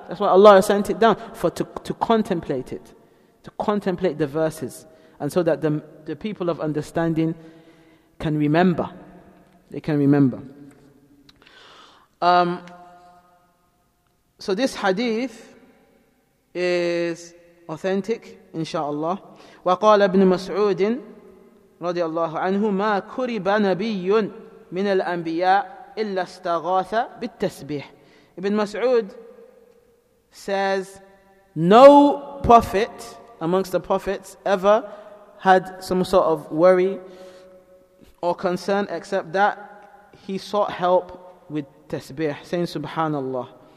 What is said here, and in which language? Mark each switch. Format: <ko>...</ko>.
<en>That's why Allah has sent it down, for to contemplate it, to contemplate the verses, and so that the people of understanding can remember. They can remember. So this hadith is authentic, inshallah.</en> <ar>وقال ابن مسعود رضي الله عنه ما كرب نبي من الأنبياء إلا استغاث بالتسبيح.</ar> <en>Ibn Mas'ud says, no prophet amongst the prophets ever had some sort of worry or concern except that he sought help with tasbih, saying subhanallah.</en>